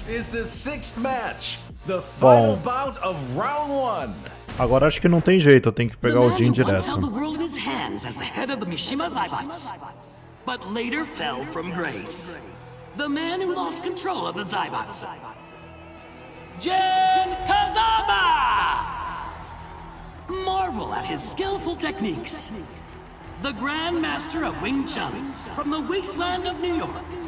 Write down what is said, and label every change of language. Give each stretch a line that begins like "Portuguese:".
English: next is the sixth match, the final bout of round one.
Portuguese: Agora acho que não tem jeito, eu tenho que pegar o Jin direto.
English: The world in his hands as the head of the Mishima Zaibats, but later fell from grace. The man who lost control of the Zaibats. Jin Kazama! Marvel at his skillful techniques. The Grand Master of Wing Chun from the wasteland of New York.